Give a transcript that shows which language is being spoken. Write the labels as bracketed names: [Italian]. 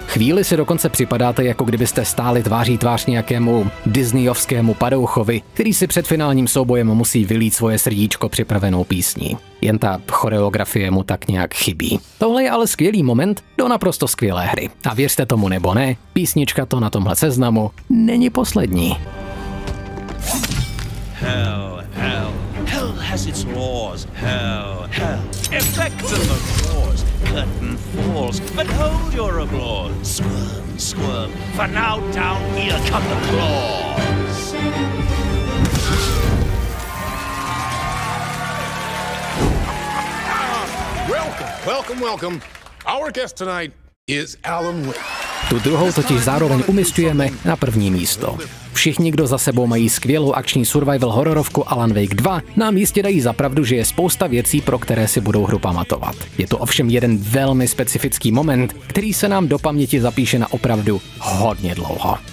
[Czech] Chvíli si dokonce připadáte, jako kdybyste stáli tváří tvář nějakému disneyovskému padouchovi, který si před finálním soubojem musí vylít svoje srdíčko připravenou písní. Jen ta choreografie mu tak nějak chybí. Tohle je ale skvělý moment do naprosto skvělé hry. A věřte tomu nebo ne, písnička to na tomhle seznamu není poslední. [English] Hell, hell, hell has its laws. Hell, hell, effectum of course. Curtain falls, but hold your applause. Squirm, squirm, for now down here come the claws. Welcome, welcome, welcome. Our guest tonight is Alan Wake. [Czech] Tu druhou totiž zároveň umisťujeme na první místo. Všichni, kdo za sebou mají skvělou akční survival hororovku Alan Wake 2, nám jistě dají za pravdu, že je spousta věcí, pro které si budou hru pamatovat. Je tu ovšem jeden velmi specifický moment, který se nám do paměti zapíše na opravdu hodně dlouho.